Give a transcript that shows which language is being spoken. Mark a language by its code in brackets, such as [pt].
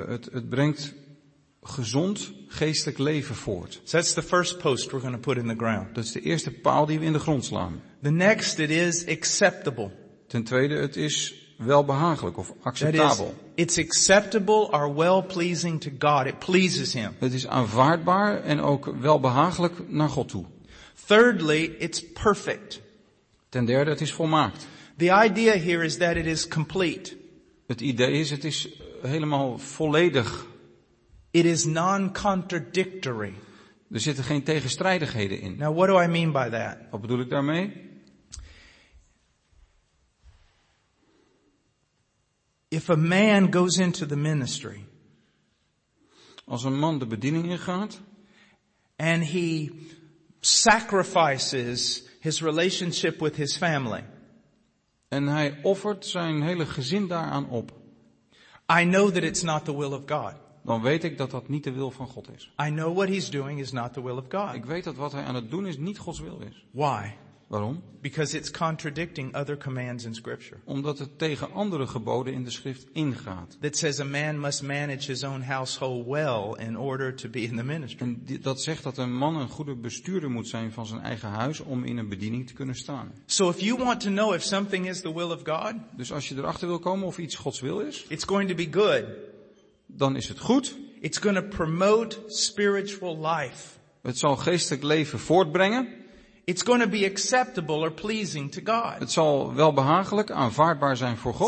[nl] Het brengt gezond geestelijk leven voort. [en] So that's the first post we're going to put in the ground. [nl] Dat is de eerste paal die we in de grond slaan. [en] The next, it is acceptable. [nl] Ten tweede, het is welbehagelijk of acceptabel. [en] That is, it's acceptable or well-pleasing to God. It pleases him. [nl] Het is aanvaardbaar en ook welbehagelijk naar God toe. [en] Thirdly, it's perfect. [nl] Ten derde, het is volmaakt. [en] The idea here is that it is complete. [nl] Het idee is, het is helemaal volledig. [en] It is non-contradictory. [nl] Er zitten geen tegenstrijdigheden in. [en] Now, what do I mean by that? [nl] Wat bedoel ik daarmee? [en] If a man goes into the ministry, [nl] als een man de bediening ingaat, [en] and he sacrifices his relationship with his family, [nl] en hij offert zijn hele gezin daaraan op, [en] I know that it's not the will of God. [nl] Dan weet ik dat dat niet de wil van God is. [en] I know what he's doing is not the will of God. [nl] Ik weet dat wat hij aan het doen is niet Gods wil is. [en] Why? [nl] Waarom? [en] Because it's contradicting other commands in scripture. [nl] Omdat het tegen andere geboden in de schrift ingaat. [en] That says a man must manage his own household well in order to be in the ministry. [nl] En dat zegt dat een man een goede bestuurder moet zijn van zijn eigen huis om in een bediening te kunnen staan. [en] So if you want to know if something is the will of God, [nl] dus als je erachter wil komen of iets Gods wil is, [en] it's going to be good. [nl] Dan is het goed. [en] It's going to promote spiritual life. [nl] Het zal geestelijk leven voortbrengen. [en] It's going to be acceptable or pleasing to God. [nl] Het zal welbehagelijk, aanvaardbaar zijn voor God.